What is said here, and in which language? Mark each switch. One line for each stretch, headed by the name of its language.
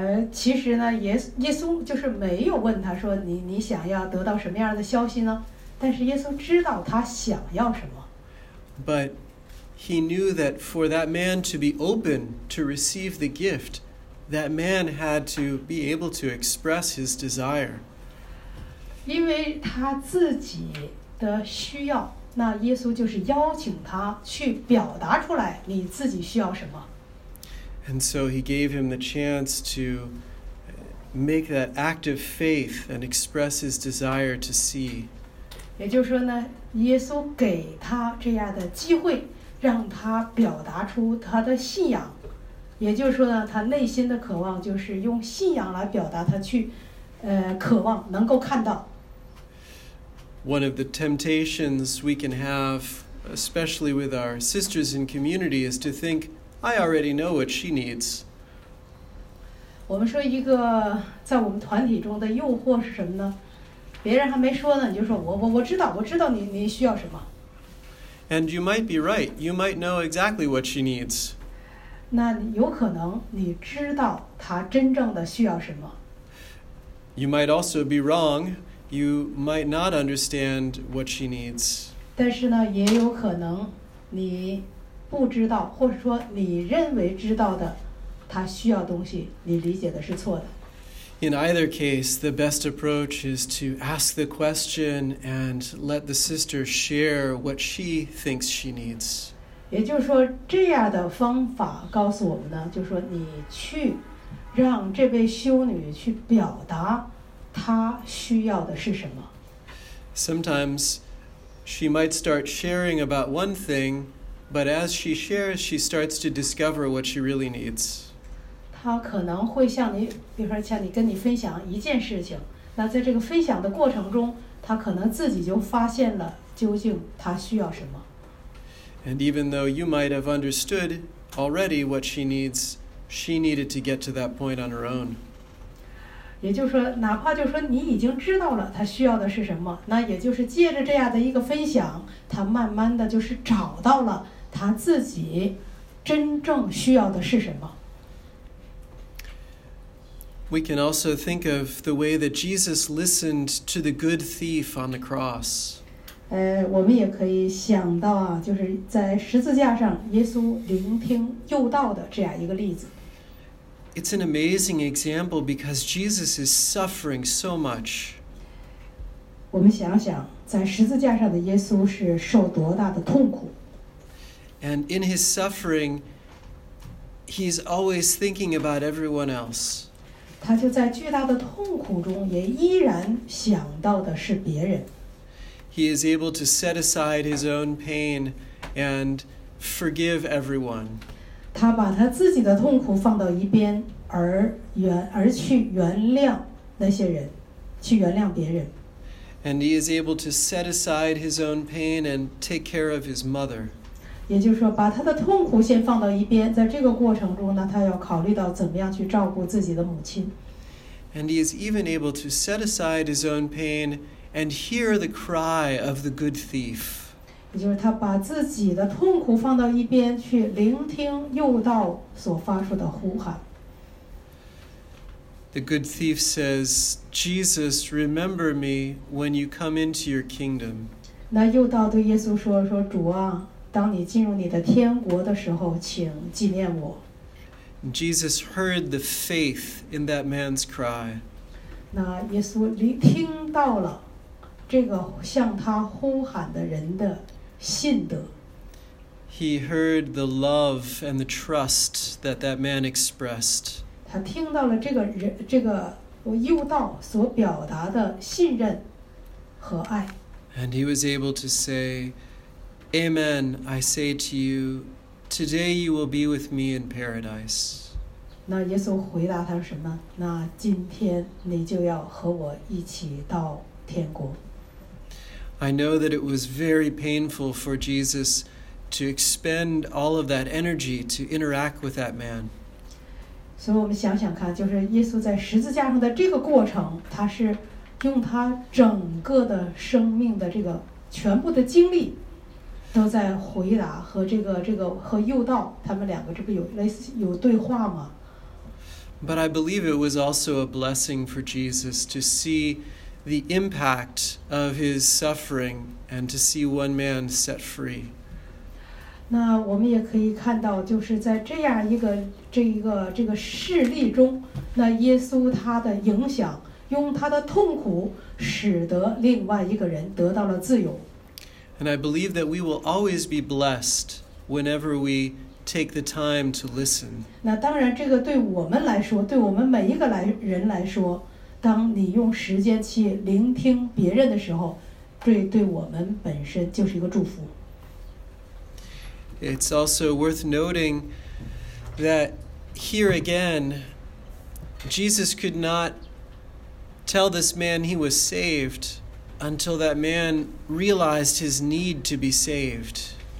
Chinese: 其实呢，耶稣就是没有问他说你想要得到什么样的消息呢？但是耶稣知道他想要什么。
English: But he knew that for that man to be open to receive the gift, that man had to be able to express his desire.
Chinese: 因为他自己的需要，那耶稣就是邀请他去表达出来你自己需要什么。
English: And so he gave him the chance to make that act of faith and express his desire to see.
Chinese: 也就是说呢，耶稣给他这样的机会，让他表达出他的信仰。也就是说呢，他内心的渴望就是用信仰来表达他去，渴望能够看到。
English: One of the temptations we can have, especially with our sisters in community, is to think,I already know what she needs.
Chinese: 我们说一个在我们团体中的诱惑是什么呢？别人还没说呢，你就说我知道你需要什么。
English: And you might be right. You might know exactly what she needs.
Chinese: 那有可能你知道她真正的需要什么。
English: You might also be wrong. You might not understand what she needs.
Chinese: 但是呢，也有可能你不知道或者说你认为知道的他需要东西，你理解的是错的。
English: In either case, the best approach is to ask the question and let the sister share what she thinks she needs.
Chinese: 也就是说，这样的方法告诉我们呢，就是说你去让这位修女去表达她需要的是什么。
English: Sometimes she might start sharing about one thing, but as she shares, she starts to discover what she really needs.
Chinese: 他可能会向你，比如说向你跟你分享一件事情，那在这个分享的过程中，他可能自己就发现了究竟他需要什么。
English: And even though you might have understood already what she needs, she needed to get to that point on her own.
Chinese: 也就是说，哪怕就是说你已经知道了他需要的是什么，那也就是借着这样的一个分享，他慢慢的就是找到了他自己真正需要的是什么。
English: We can also think of the way that Jesus listened to the good thief on the cross.
Chinese: 我们也可以想到啊，就是在十字架上，耶稣聆听诱道的这样一个例子。
English: It's an amazing example because Jesus is suffering so much.
Chinese: 我们想想，在十字架上的耶稣是受多大的痛苦。
English: And in his suffering, he's always thinking about everyone else.
Chinese: 他就在巨大的痛苦中也依然想到的是别人。
English: He is able to set aside his own pain and forgive everyone.
Chinese: 他把他自己的痛苦放到一边，而去原谅那些人，去原谅别人。
English: And he is able to set aside his own pain and take care of his mother.
Chinese: 也就是说把他的痛苦先放到一边，在这个过程中呢，他要考虑到怎么样去照顾自己的母亲。
English: And he is even able to set aside his own pain and hear the cry of the good thief.
Chinese: 也就是他把自己的痛苦放到一边，去聆听诱盗所发出的呼喊。
English: The good thief says, Jesus, remember me when you come into your kingdom.
Chinese: 那诱盗对耶稣说，说主啊，当你进入你的天国的时候，请纪念我。
English: Jesus heard the faith in that man's cry.
Chinese: 那耶稣听到了这个向他呼喊的人的信德。
English: He heard the love and the trust that that man expressed.
Chinese: 他听到了这个诱导所表达的信任和爱。
English: And he was able to say,Amen, I say to you, today you will be with me in paradise.
Chinese: 那耶稣回答他什么？那今天你就要和我一起到天国。
English: I know that it was very painful for Jesus to expend all of that energy to interact with that man.
Chinese: 所以我们想想看，就是耶稣在十字架上的这个过程，他是用他整个的生命的这个全部的精力都在回答和这个和诱导他们两个，这不有类似有对话吗？
English: But I believe it was also a blessing for Jesus to see the impact of his suffering and to see one man set free.
Chinese: 那我们也可以看到，就是在这样一个这个事例中，那耶稣他的影响，用他的痛苦使得另外一个人得到了自由。
English: And I believe that we will always be blessed whenever we take the time to listen.
Chinese: 那当然，这个对我们来说，对我们每一个人来说，当你用时间去聆听别人的时候，对我们本身就是一个祝福。
English: It's also worth noting that here again, Jesus could not tell this man he was saved. Until that man realized his need to be saved.